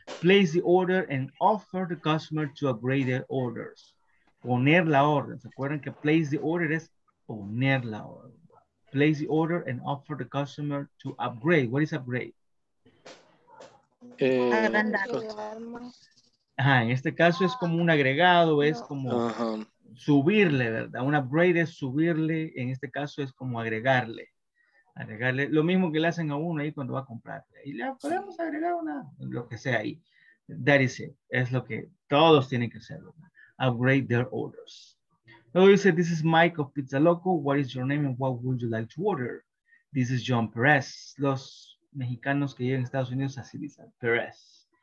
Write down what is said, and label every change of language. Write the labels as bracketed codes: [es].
[en] Place the order and offer the customer to upgrade their orders. Poner la orden. ¿Se acuerdan que place the order es poner la orden? Place the order and offer the customer to upgrade. What is upgrade? [es] Agrandar. Ajá, en este caso es como un agregado, es como subirle, ¿verdad? Un upgrade es subirle, en este caso es como agregarle. Lo mismo que le hacen a uno ahí cuando va a comprar. Y le podemos agregar una, lo que sea ahí. That is it. Es lo que todos tienen que hacer, ¿verdad? [en] Upgrade their orders. Luego dice, this is Mike of Pizza Loco. What is your name and what would you like to order? This is John Perez. [es] Los mexicanos que llegan a Estados Unidos así dicen Perez.